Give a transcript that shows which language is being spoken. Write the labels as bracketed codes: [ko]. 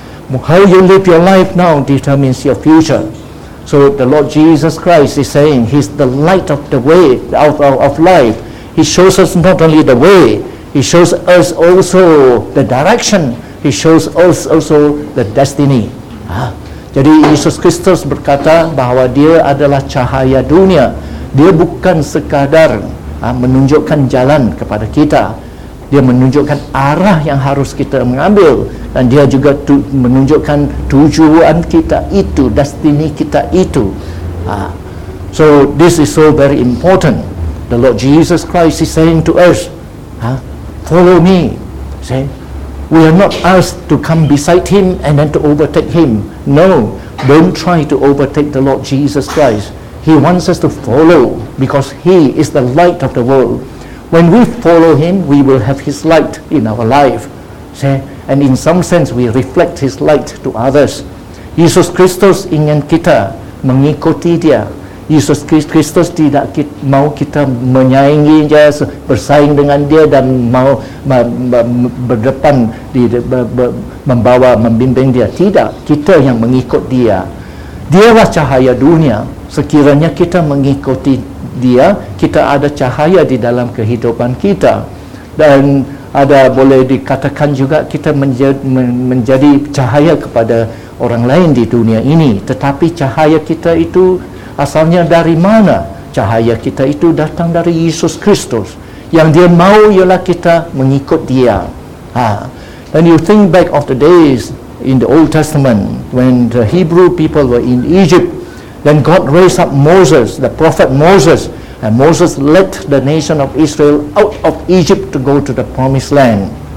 [en] How you live your life now determines your future. So the Lord Jesus Christ is saying He's the light of the way of life. He shows us not only the way, He shows us also the direction. He shows us also the destiny. [ms] Jadi Yesus Kristus berkata bahwa Dia adalah cahaya dunia. Dia bukan sekadar menunjukkan jalan kepada kita. Dia menunjukkan arah yang harus kita mengambil. Dan Dia juga menunjukkan tujuan kita itu, destiny kita itu. [en] So this is so very important. The Lord Jesus Christ is saying to us, follow me. See? We are not asked to come beside Him and then to overtake Him. No, don't try to overtake the Lord Jesus Christ. He wants us to follow because He is the light of the world. When we follow Him, we will have His light in our life. See? And in some sense, we reflect His light to others. [ms] Yesus Kristus ingin kita mengikuti Dia. Yesus Kristus tidak mau kita menyaingi Dia, bersaing dengan Dia dan mau berdepan di membawa membimbing Dia. Tidak, kita yang mengikut Dia. Dialah cahaya dunia. Sekiranya kita mengikuti Dia, kita ada cahaya di dalam kehidupan kita. Dan ada boleh dikatakan juga kita menjadi cahaya kepada orang lain di dunia ini. Tetapi cahaya kita itu asalnya dari mana? Cahaya kita itu datang dari Yesus Kristus. Yang Dia mau ialah kita mengikut Dia. [en] And you think back of the days in the Old Testament when the Hebrew people were in Egypt. Then God raised up Moses, the prophet Moses. And Moses led the nation of Israel out of Egypt to go to the promised land.